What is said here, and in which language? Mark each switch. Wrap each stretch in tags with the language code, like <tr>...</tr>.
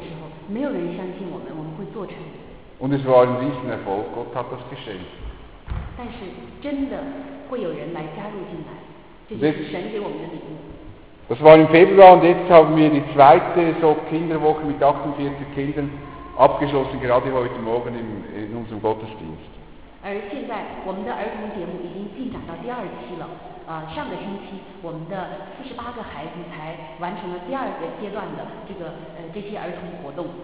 <zh>然后当我们开始去招募这些人的时候，没有人相信我们会做成。</zh> <de>Und es war ein Riesenerfolg, Gott hat das geschenkt.</de> <zh>但是真的会有人来加入进来，这就是神给我们的礼物。</zh> <de>Das war im Februar und jetzt haben wir die zweite so Kinderwoche mit 48 Kindern abgeschlossen, gerade heute Morgen in unserem Gottesdienst.</de>